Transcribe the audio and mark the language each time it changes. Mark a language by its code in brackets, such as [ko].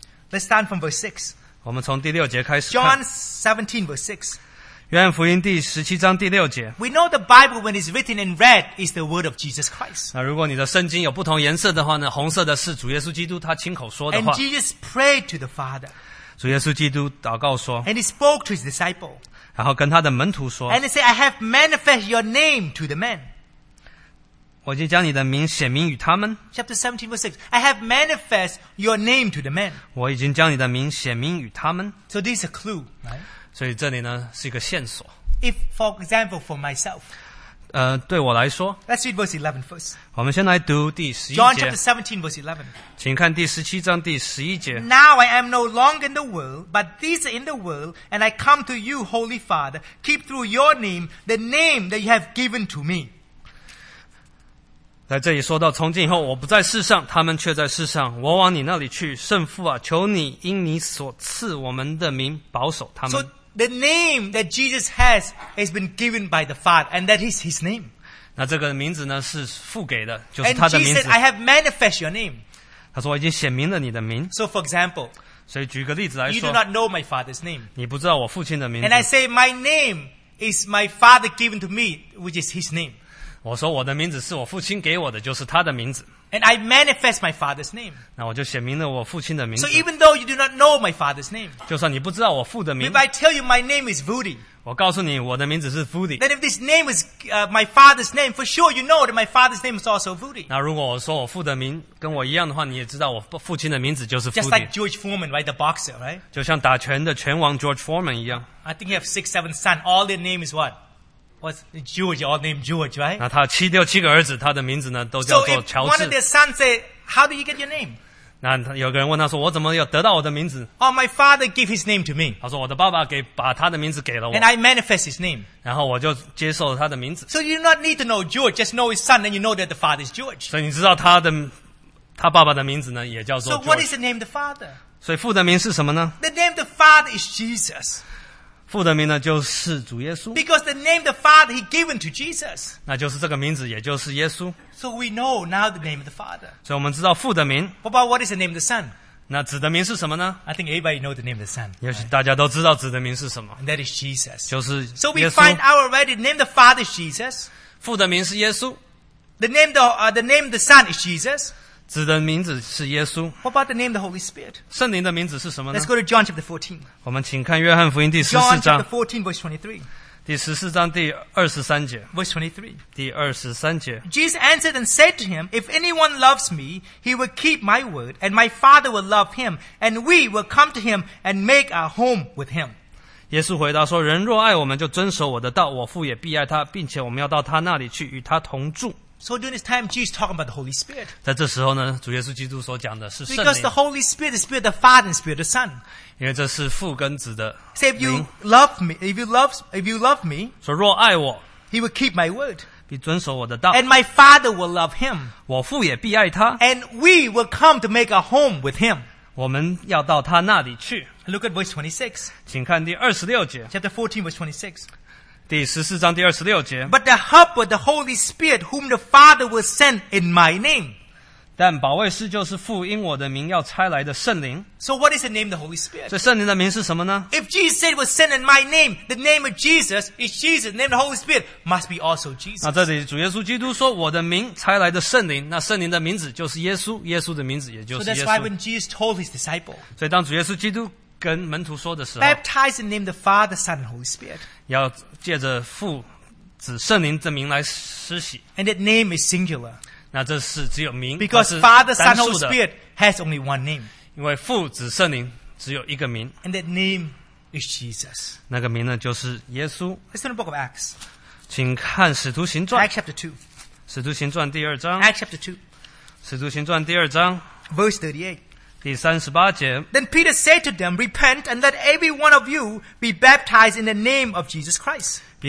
[en] let's start from verse 6. [zh] 我们从第六节开始看, [en] John 17 verse 6. [zh] 约翰福音第17章第6节, [en] we know the Bible when it's written in red is the word of Jesus Christ. [zh] 如果你的圣经有不同颜色的话呢, 红色的是主耶稣基督他亲口说的话。 [en] And Jesus prayed to the Father. [zh] 主耶稣基督祷告说, [en] and he spoke to his disciple. [zh] 然后跟他的门徒说, [en] and he said, I have manifested your name to the men. [zh] 我已经将你的名显明与他们。 [en] Chapter 17 verse 6, I have manifested your name to the men. [zh] 我已经将你的名显明与他们。 [en] So this is a clue, right? [zh] 所以这里呢是一个线索。 [en] If for example for myself, [zh] 对我来说, [en] let's read verse 11 first. [zh] 我们先来读第11节, [en] John chapter 17 verse 11. [zh] 请看第17章第11节, [en] now I am no longer in the world, but these are in the world, and I come to you, Holy Father, keep through your name the name that you have given to me. [zh] 在这里说到, 从今以后我不在世上, 他们却在世上, 我往你那里去, 圣父啊, 求你因你所赐我们的名, 保守他们。 [en] So the name that Jesus has been given by the Father, and that is his name. [zh] 那这个名字呢, 是父给的, 就是他的名字。 [en] And Jesus said, I have manifest your name. [zh] 他说我已经显明了你的名。 [en] So for example, [zh] 所以举个例子来说, [en] you do not know my father's name. [zh] 你不知道我父亲的名字。 [en] And I say, my name is my father given to me, which is his name. [zh] 我说我的名字是我父亲给我的，就是他的名字。 [en] And I manifest my father's name. [zh] 那我就显明了我父亲的名字。 [en] So even though you do not know my father's name, [zh] 就算你不知道我父的名字, [en] if I tell you my name is Vudi, [zh] 我告诉你我的名字是Vudi, [en] then if this name is my father's name, for sure you know that my father's name is also Vudi. [zh] 那如果我说我父的名跟我一样的话, 你也知道我父亲的名字就是Vudi. [en] Just like George Foreman, right? The boxer, right? [zh] 就像打拳的拳王George Foreman一样。 [en] I think you have 6, 7 sons. All their name is what? What's George, all named George, right? [zh] 那他七六七个儿子, 他的名字呢, 都叫做乔治。 [en] So if one of their sons say, how did you get your name? [zh] 那有个人问他说, 我怎么要得到我的名字? [en] Oh, my father gave his name to me. [zh] 他说, 我的爸爸给, 把他的名字给了我。 [en] And I manifest his name. [zh] 然后我就接受了他的名字。 [en] So you do not need to know George, just know his son, and you know that the father is George. [zh] 所以你知道他的爸爸的名字呢, 也叫做George。 [en] So what is the name of the father? [zh] 所以父的名是什么呢? [en] The name of the father is Jesus. [zh] 父的名呢就是主耶稣, [en] because the name of the Father he given to Jesus. [zh] 那就是这个名字也就是耶稣。 [en] So we know now the name of the Father. [zh] 所以我们知道父的名。 [en] What about what is the name of the Son? [zh] 那子的名是什么呢? [en] I think everybody knows the name of the Son. [zh] 也许大家都知道子的名是什么。 [en] And that is Jesus. [zh] 就是耶稣。 [en] So we find out already the name of the Father is Jesus. [zh] 父的名是耶稣。 [en] The name of the Son is Jesus. What about the name of the Holy Spirit? [zh] 圣灵的名字是什么呢? [en] Let's go to John chapter 14. [zh] 我们请看约翰福音第十四章。 [en] John chapter 14, verse 23. [zh] 第十四章第23节。 [en] Verse 23. [zh] 第23节。 [en] Jesus answered and said to him, If anyone loves me, he will keep my word, and my Father will love him, and we will come to him and make our home with him. [zh] 耶稣回答说, 人若爱我们就遵守我的道, 我父也必爱他, 并且我们要到他那里去与他同住。 [en] So during this time, Jesus is talking about the Holy Spirit. [zh] 在这时候呢, 主耶稣基督所讲的是圣灵。 [en] Because the Holy Spirit is the Spirit of the Father and the Spirit of the Son. [zh] 因为这是父跟子的灵。 [en] Say, if you love me, [zh] 说若爱我, [en] He will keep my word. [zh] 必遵守我的道, [en] and my Father will love Him. [zh] 我父也必爱他, [en] and we will come to make a home with Him. [zh] 我们要到他那里去。 [en] Look at verse 26. [zh] 请看第26节。 [en] Chapter 14, verse 26. [zh] 第十四章第26节, [en] But the helper, the Holy Spirit, whom the Father will send in my name. [zh] 但保卫师就是父因我的名要差来的圣灵。 [en] So what is the name of the Holy Spirit? [zh] 这圣灵的名是什么呢? [en] If Jesus said it was sent in my name, the name of Jesus is Jesus. The name of the Holy Spirit must be also Jesus. [zh] 那这里主耶稣基督说我的名差来的圣灵, 那圣灵的名字就是耶稣, 耶稣的名字也就是耶稣。 [en] So that's why when Jesus told his disciple, [zh] 所以当主耶稣基督 跟门徒说的时候, [en] Baptize in the name of the Father, Son, and Holy Spirit. [zh] 要借着父、子、圣灵的名来施洗。 [en] And that name is singular. [zh] 那这是只有名, [en] because Father, Son, and Holy Spirit has only one name. [zh] 因为父、子、圣灵只有一个名。 [en] And that name is Jesus. [zh] 那个名呢就是耶稣。 [en] Let's turn to the book of Acts. [zh] 请看使徒行传。 [en] Acts chapter 2. [zh] 使徒行传第二章。 [en] Acts chapter 2. [zh] 使徒行传第二章。 [en] Verse 38. [zh] 第38节, [en] then Peter said to them, Repent and let every one of you be baptized in the name of Jesus Christ.